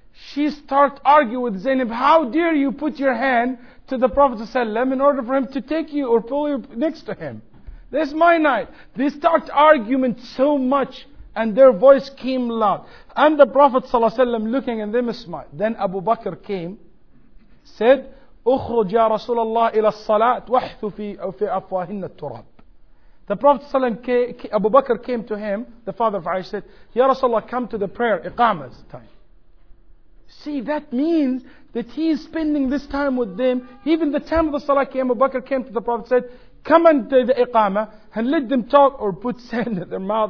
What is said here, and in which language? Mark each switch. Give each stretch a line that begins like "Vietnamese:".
English: She starts arguing with Zainab, how dare you put your hand to the Prophet ﷺ in order for him to take you or pull you next to him. This is my night. They start arguing so much and their voice came loud. And the Prophet ﷺ looking at them smiled.
Arabic: Then Abu Bakr came, said, أخرج يا رسول الله إلى الصلاة وحثوا في أفواهن التراب.
English: The Prophet ﷺ, Abu Bakr came to him, the father of Aisha, said, Ya Rasulullah, come to the prayer, Iqama's time. See, that means that he is spending this time with them. Even the time of the salah came, Abu Bakr came to the Prophet said, come unto the Iqamah and let them talk or put sand in their mouth.